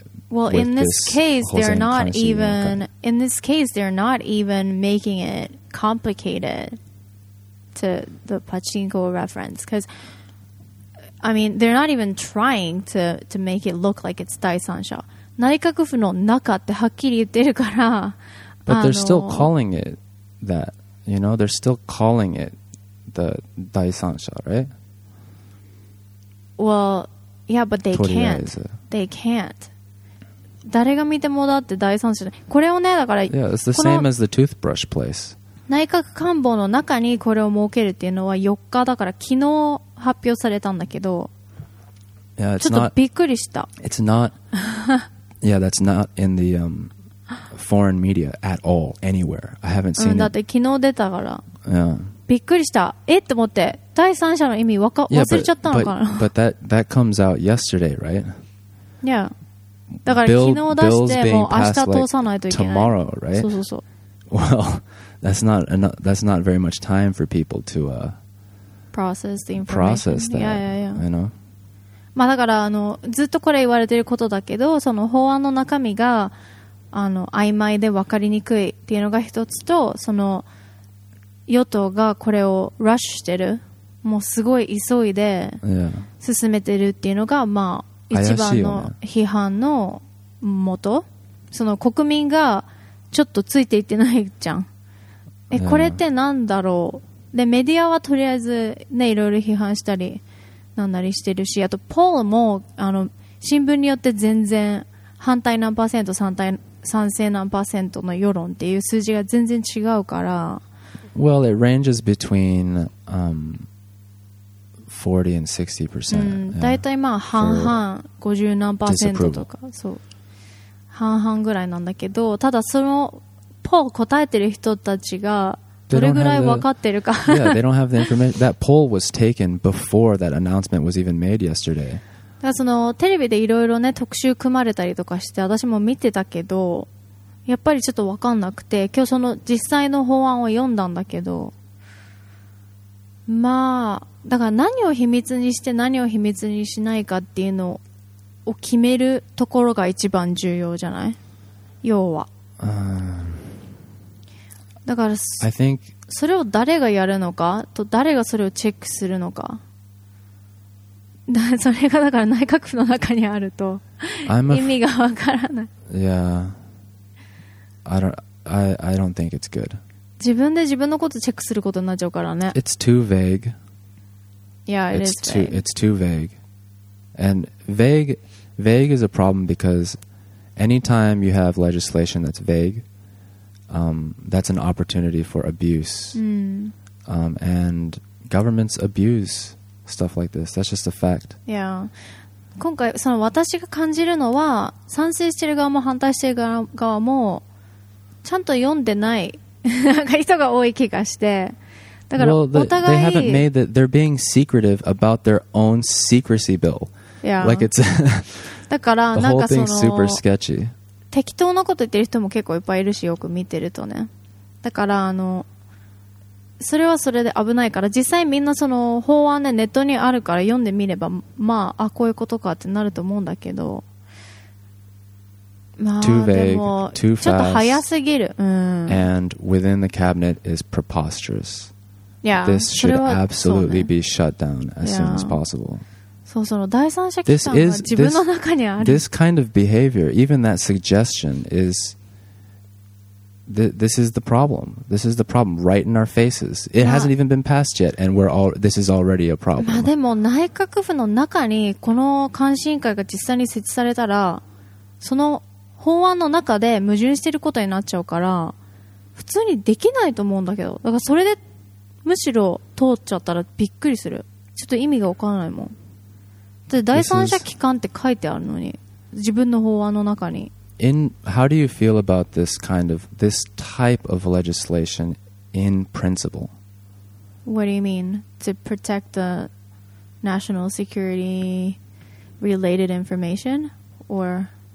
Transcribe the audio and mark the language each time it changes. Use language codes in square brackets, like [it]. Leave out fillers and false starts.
[en] Well, in this case, they're not even... In this case, they're not even making it complicated to the pachinko reference. Because, I mean, they're not even trying to make it look like it's Daisansha. [ja] 内閣府の中ってはっきり言ってるから [en] But they're still calling it that You know, they're still calling it The 第三者 right? Well, yeah, but they can't They can't [ja] 誰が見てもだって第三者これをねだから [en] Yeah, it's the same as the toothbrush place [ja] 内閣官房の中にこれを設けるっていうのは4日だから昨日発表されたんだけど [en] yeah, [ja] ちょっとびっくりした [en] It's not Yeah, that's not in the foreign media at all, anywhere. I haven't seen it. [ja] だって昨日出たから。 [en] Yeah. [ja] びっくりした。え?って思って。第三者の意味忘れちゃったのかな。 [en] But that comes out yesterday, right? Yeah. [ja] だから昨日出して、もう明日通さないといけない。 [en] Like, tomorrow, right? [ja] そうそうそう。 [en] Well, that's not very much time for people to process the information. Process that, yeah, yeah, yeah. You know? [ja] まあ、だからあのずっとこれ言われてることだけどその法案の中身があの曖昧で分かりにくいっていうのが一つとその与党がこれをラッシュしてるもうすごい急いで進めてるっていうのがまあ一番の批判の元その国民がちょっとついていってないじゃんこれってなんだろうでメディアはとりあえずねいろいろ批判したりなんだりしてるしあとポールもあの新聞によって全然反対何パーセント賛成何パーセントの世論っていう数字が全然違うから [en] Well, it ranges between 40 and 60%、 [ja] うん、だいたいまあ半々 50何パーセントとかそう半々ぐらいなんだけどただそのポール答えてる人たちがどれぐらい分かってるか。 [en] Yeah, they don't have the information. That poll was taken before that announcement was even made yesterday. [ja] だからそのテレビでいろいろね特集組まれたりとかして私も見てたけど、やっぱりちょっと分かんなくて、今日その実際の法案を読んだんだけど、まあだから何を秘密にして何を秘密にしないかっていうのを決めるところが一番重要じゃない？要は。だから [en] I think [ja] それを誰がやるのかと誰がそれをチェックするのか、それがだから内閣府の中にあると意味がわからない。 [en] Yeah, I don't think it's good. [ja] 自分で自分のことチェックすることになっちゃうからね。 [en] It's too vague. Yeah, it is vague. It's too vague. And vague is a problem because anytime you have legislation that's vague, that's an opportunity for abuse. And governments abuse stuff like this. That's just a fact. Yeah. [ja] 今回その私が感じるのは、賛成してる側も反対してる側もちゃんと読んでない人が多い気がして。だからお互い、 [en] well, they haven't made that. They're being secretive about their own secrecy bill. Yeah. Like it's [ja] だからなんかその [en] the whole thing's super sketchy. [ja] 適当なこと言ってる人も結構いっぱいいるし、よく見てるとね。だからあのそれはそれで危ないから、実際みんなその法案ねネットにあるから読んでみれば、まあ、あこういうことかってなると思うんだけど、まあ、 [en] too vague, [ja] でも [en] too fast, [ja] ちょっと早すぎる、うん、 [en] and within the cabinet is preposterous. Yeah, this should absolutely、 [ja] ね、 [en] be shut down as、 yeah. soon as possible. [ja] そうその第三者機関が自分の中にある。 [en] This kind of behavior, even that suggestion, is this is the problem. This is the problem right in our faces. It hasn't even been passed yet, and we're all this is already a problem. [ja] まあでも内閣府の中にこの監視委員会が実際に設置されたら、その法案の中で矛盾していることになっちゃうから、普通にできないと思うんだけど。だからそれでむしろ通っちゃったらびっくりする。ちょっと意味がわからないもん。第三者機関って書いてあるのに、自分の法案の中に。 [en] In how do you feel about this kind of this type of legislation in principle? What do you mean to protect the national security related information, or